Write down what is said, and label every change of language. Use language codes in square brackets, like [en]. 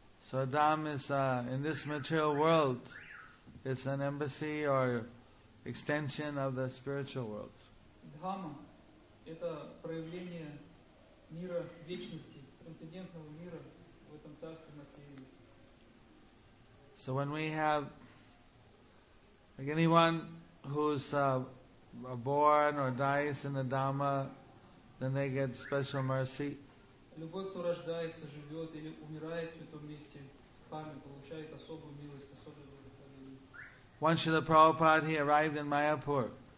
[en] So a dam is in this material world, it's an embassy or extension of the spiritual world. [ru] Дхамма – это проявление мира вечности, трансцендентного мира в этом царстве материи. [en] So when we have like anyone who's born or dies in the Dhamma, then they get special mercy. [ru] Любой, кто рождается, живет или умирает в святом месте, в Дхамме, получает особую милость, особое благословение. [en] Once Srila Prabhupada, he arrived in Mayapur.